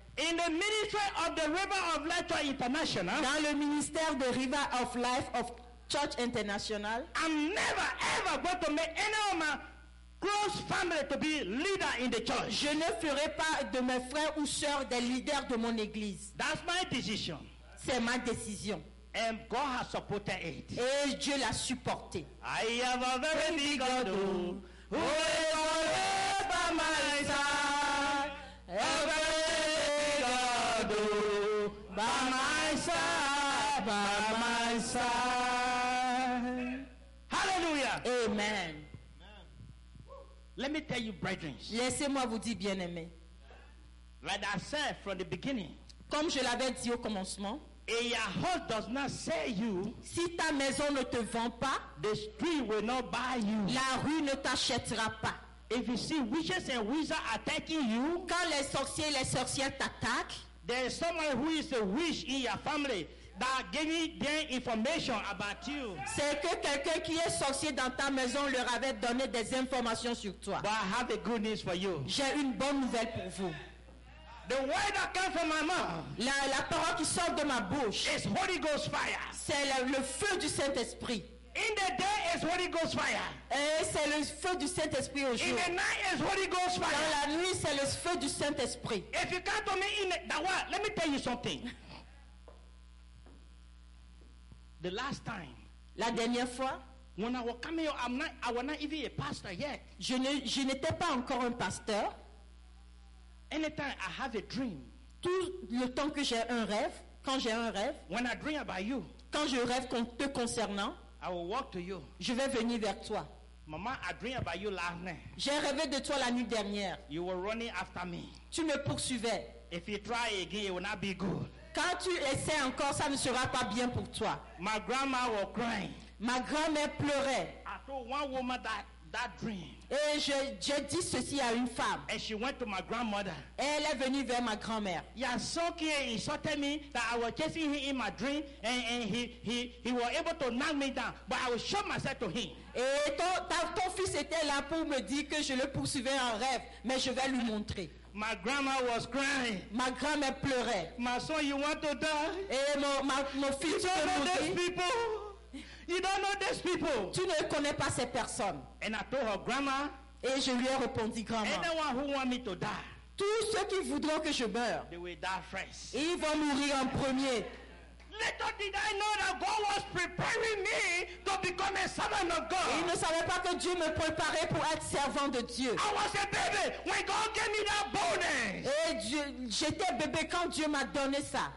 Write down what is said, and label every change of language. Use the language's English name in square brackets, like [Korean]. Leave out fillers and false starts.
[English] In the ministry of the River of Life International. [French] Dans le ministère de River of Life of Church International. [English] I'm never ever going to make any of my close family to be leader in the church. [French] Je ne ferai pas de mes frères ou sœurs des leaders de mon église. [English] That's my decision. [French] C'est ma décision. [English] And God has supported it. [French] Et Dieu l'a supporté. [English] I am a very big God who is always by my side. A very big God who by my side, by my side. Hallelujah. Amen. Let me tell you, brethren. [French] Laissez-moi vous dire, bien-aimé. [English] Like I said from the beginning. [French] Comme je l'avais dit au commencement. [English] If your house does not sell you. [French] Si ta maison ne te vend pas. [English] The street will not buy you. [French] La rue ne t'achètera pas. [English] If you see witches and wizards attacking you. [French] Quand les sorciers et les sorcières t'attaquent. [English] There is someone who is a witch in your family. That gave them information about you. [French] C'est que quelqu'un qui est sorcier dans ta maison leur avait donné des informations sur toi. [English] But I have a good news for you. [French] J'ai une bonne nouvelle pour vous. [English] The word that comes from my mouth. [French] La parole qui sort de ma bouche. [English] Is Holy Ghost fire. [French] C'est le feu du Saint-Esprit. [English] In the day is Holy Ghost fire. [French] Et c'est le feu du Saint-Esprit au jour. [English] In the night is Holy Ghost fire. [French] Dans la nuit c'est le feu du Saint-Esprit. [English] If you come to me in the world, let me tell you something. The last time, [French] la dernière fois, [English] when I was coming here, I was not even a pastor yet. [French] Je n'étais pas encore un pasteur. [English] Anytime I have a dream, [French] tout le temps que j'ai un rêve, quand j'ai un rêve, [English] when I dream about you, [French] quand je rêve te concernant, [English] I will walk to you. [French] Je vais venir vers toi. [English] Mama, I dream about you last night. [French] J'ai rêvé de toi la nuit dernière. [English] You were running after me. [French] Tu me poursuivais. [English] If you try again, it will not be good. [French] Quand tu essaies encore, ça ne sera pas bien pour toi. [English] My grandma was crying. [French] Ma grand-mère pleurait. [English] I told one woman that dream. [French] Et je dis ceci à une femme. [English] And she went to my grandmother. [French] Elle est venue vers ma grand-mère. [English] Your son came and insulted me that I was chasing him in my dream and he was able to knock me down, but I will show myself to him. [French] Et ton fils était là pour me dire que je le poursuivais en rêve, mais je vais lui montrer. [English] My grandma was crying. [French] Ma grand-mère pleurait. [English] My son, you want to die? [French] Et mon fils, [English] you don't know these people. You don't know these people. [French] Tu ne connais pas ces personnes. [English] And I told her, grandma. [French] Et je lui ai répondu, grand-mère. [English] Anyone who want me to die. [French] Tous ceux qui voudront que je meure. [English] They will die first. [French] Ils vont mourir en premier. [English] Little did I know that God was preparing me to become a servant of God. [French] Il ne savait pas que Dieu me préparait pour être servant de Dieu. [English] I was a baby when God gave me that bonus. [French] Et j'étais bébé quand Dieu m'a donné ça.